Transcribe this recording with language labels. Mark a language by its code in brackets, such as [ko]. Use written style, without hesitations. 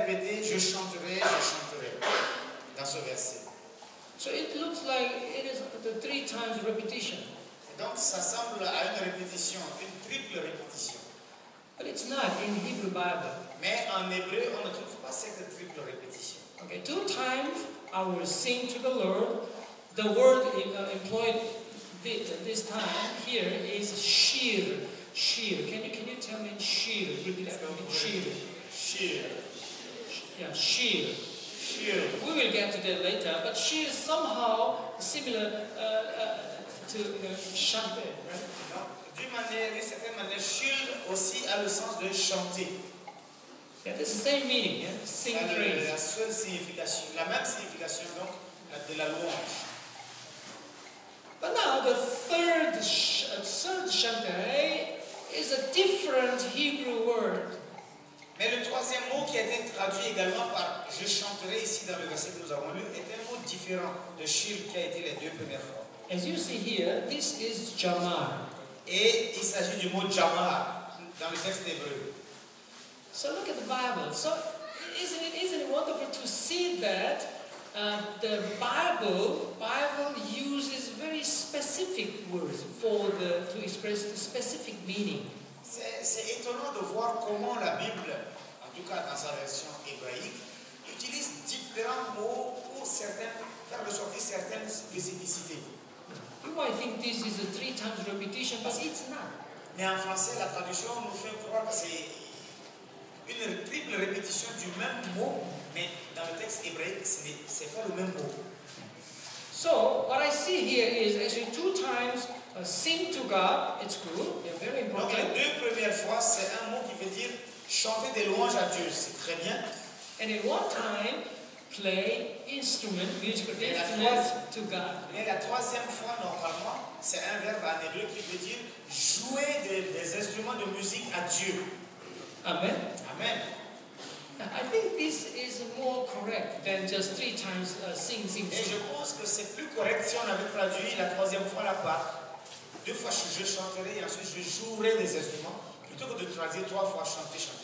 [fr] et je chanterai dans ce verset. [en] So it looks like it is the three times repetition. [fr] Donc ça semble à une répétition, une triple répétition. [en] But it's not in the Hebrew Bible. [fr] Mais en hébreu, on ne trouve pas cette triple répétition. [en] Okay, two times I will sing to the Lord. The word employed this time here is shir. Shir. Can you tell me shir? Repeat after me. Shir. [he] Shir. [en] Yeah, shir. [he] Shir. [en] We will get to that later. But shir is somehow similar to chanter, right? [fr] D'une certaine manière, shir aussi a le sens de chanter. [en] Yeah, the same meaning, yeah? Sing praise. [fr] La seule signification, la même signification donc de la louange. [en] But now the third chanter is a different Hebrew word. [fr] Mais le troisième mot qui a été traduit également par je chanterai ici dans le verset que nous avons lu est un mot différent de shir qui a été les deux premières fois. [en] As you see here, this is jamar. [fr] Et il s'agit du mot jamar dans le texte hébreu. [en] So look at the Bible. So isn't it wonderful to see that the Bible uses very specific words to express the specific meaning. [fr] C'est étonnant de voir comment la Bible, en tout cas dans sa version hébraïque, utilise différents mots pour faire ressortir certaines spécificités. [en] You might think this is a three times repetition, but it's not. [fr] Mais en français, la traduction nous fait croire que c'est une triple répétition du même mot, mais dans le texte hébraïque, ce n'est pas le même mot. [en] So, what I see here is actually two times sing to God, it's good, they're very important. [fr] Donc, les deux premières fois, c'est un mot qui veut dire chanter des louanges à Dieu, c'est très bien. [en] And in one time, play instrument, musical instrument to God. [fr] Mais la troisième fois, normalement, c'est un verbe en hébreu qui veut dire jouer des instruments de musique à Dieu. Amen. Amen. [en] I think this is more correct than just three times sing. [fr] Et je pense que c'est plus correct si on avait traduit la troisième fois là-bas. Deux fois je chanterai et ensuite je jouerai des instruments plutôt que de traduire trois fois chanter.